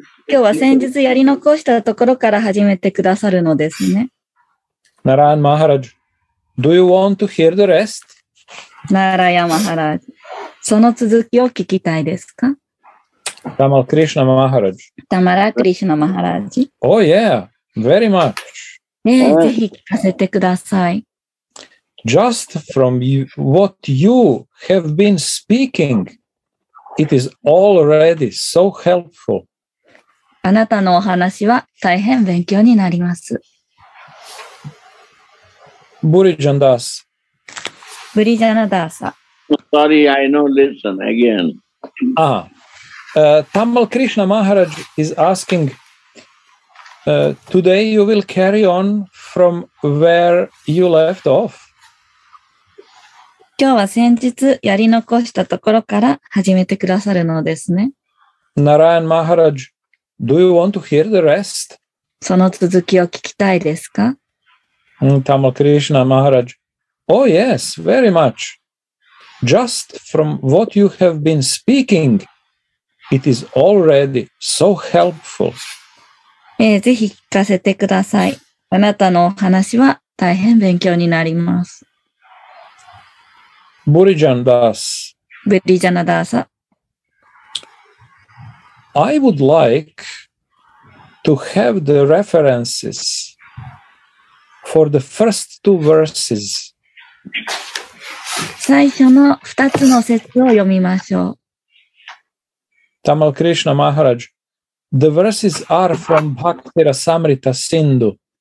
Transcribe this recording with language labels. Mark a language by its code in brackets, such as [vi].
[ja] 今日は先日やり残したところから始めてくださるのですね。 [en] Narayan Maharaj, do you want to hear the rest? Narayan Maharaj. [ja] その続きを聞きたいですか？タマラ・クリシュナ・マハラジ。タマラ・クリシュナ・マハラジ。 [en] Oh yeah, very much. [ja] ねえ、ぜひ聞かせてください。 [en] Just from what you have been speaking, it is already so helpful. [ja] あなたのお話は大変勉強になります。ブリジャナダーサ。ブリジャナダーサ。 [en] Sorry, I know. Listen again. Tamal Krishna Maharaj is asking, today you will carry on from where you left off. [ja] 今日は先日やり残したところから始めてくださるのですね。 [en] Narayan Maharaj, do you want to hear the rest? [ja] その続きを聞きたいですか? [en] Tamal Krishna Maharaj, oh yes, very much. just from what you have been speaking, it is already so helpful. [ja] ぜひ聞かせてください。あなたのお話は大変勉強になります。ブリジャンダース。ブリジャナダーサ。 [en] I would like to have the references for the first two verses. [ja] 最初の2つの節を読みましょう。 [en] Tamal Krishna Maharaj, the verses are from Bhakti Rasamrita Sindhu.